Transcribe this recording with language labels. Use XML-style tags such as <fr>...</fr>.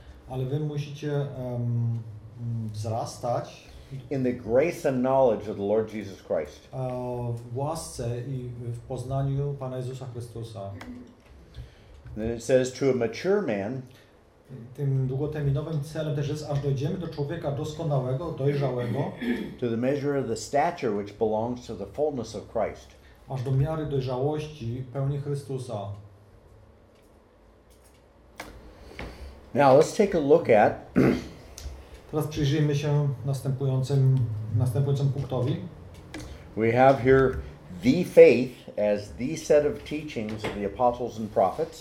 <pl>Ale wy musicie wzrastać.</pl> <en>In the grace and knowledge of the Lord Jesus Christ.</en> <pl>W łasce i w poznaniu Pana Jezusa Chrystusa.</pl> <en>Then it says to a mature man.</en> <pl>Tym długoterminowym celem też jest, aż dojdziemy do człowieka doskonałego, dojrzałego.</pl> <en>To the measure of the stature which belongs to the fullness of Christ.</en> <pl>Aż do miary dojrzałości pełni Chrystusa.</pl> <en>Now let's take a look at.</en> <pl>Teraz przyjrzyjmy się następującym punktowi.</pl> <en>We have here the faith as the set of teachings of the apostles and prophets.</en>